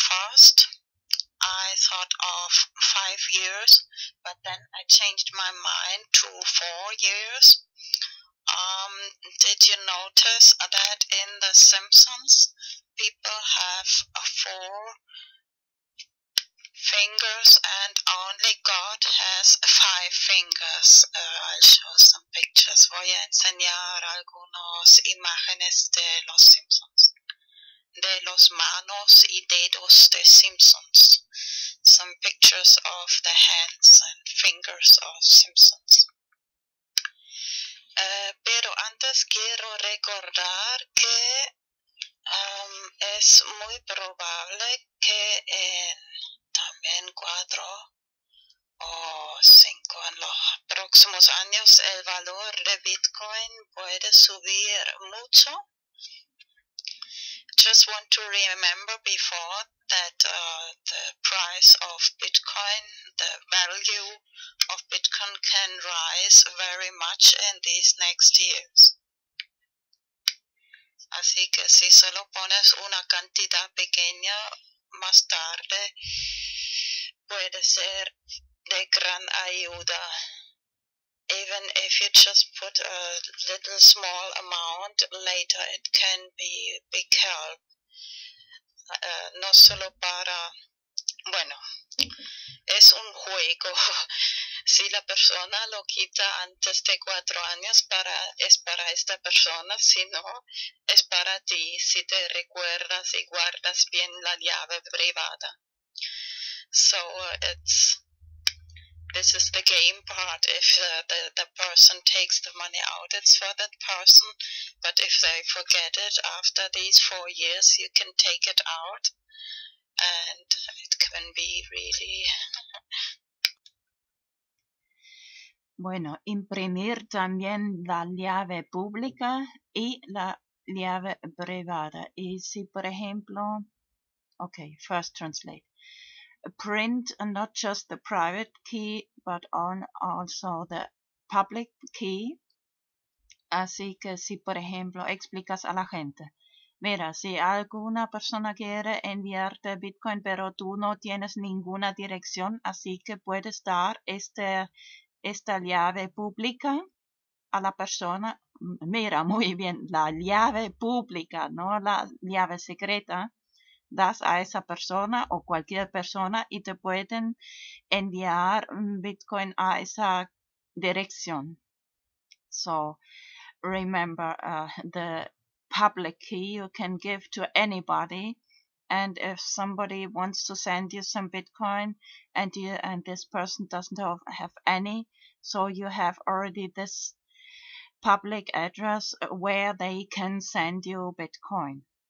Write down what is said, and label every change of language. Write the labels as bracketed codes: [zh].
[en] First, I thought of 5 years, but then I changed my mind to 4 years. Did you notice that in The Simpsons, people have 4 fingers and only God has 5 fingers. I'll show some pictures. [es] Voy a enseñar algunas imágenes de los Simpsons. De los manos y dedos de Simpsons. [en] Some pictures of the hands and fingers of Simpsons. [es] Pero antes quiero recordar que es muy probable que en también 4 o 5 en los próximos años el valor de Bitcoin puede subir mucho. [en] Just want to remember before that the price of Bitcoin, the value of Bitcoin can rise very much in these next years. [es] Así que si solo pones una cantidad pequeña, más tarde puede ser de gran ayuda. [en] Even if you just put a little small amount, later it can be big help. [es] No solo para, bueno, es un juego. Si la persona lo quita antes de 4 años, para, es para esta persona. Si no, es para ti, si te recuerdas y guardas bien la llave privada. [en] So, it's... This is the game part. If the person takes the money out, it's for that person. But if they forget it after these 4 years, you can take it out. And it can be really... [es] Bueno, imprimir también la llave pública y la llave privada. Y si, por ejemplo... [en] Okay, first translate. Print not just the private key, but also the public key. [es] Así que si, por ejemplo, explicas a la gente. Mira, si alguna persona quiere enviarte Bitcoin, pero tú no tienes ninguna dirección, así que puedes dar esta llave pública a la persona. Mira, muy bien, la llave pública, no la llave secreta. Das a esa persona o cualquier persona y te pueden enviar Bitcoin a esa dirección. [en] So, remember, the public key you can give to anybody. And if somebody wants to send you some Bitcoin and this person doesn't have any, so you have already this public address where they can send you Bitcoin.